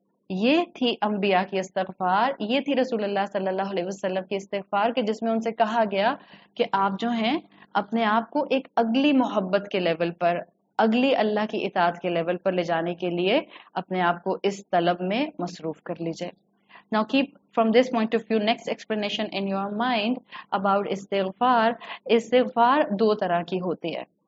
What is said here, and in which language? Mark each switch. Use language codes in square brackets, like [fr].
[ur] یہ تھی انبیاء کی استغفار، یہ تھی رسول اللہ صلی اللہ علیہ وسلم کی استغفار، کہ جس میں ان سے کہا گیا کہ آپ جو ہیں اپنے آپ کو ایک اگلی محبت کے لیول پر، اگلی اللہ کی اطاعت کے لیول پر لے جانے کے لیے اپنے آپ کو اس طلب میں مصروف کر لیجئے. [en] Now keep from this point of view next explanation in your mind about استغفار. [ur] استغفار دو طرح کی ہوتی ہے.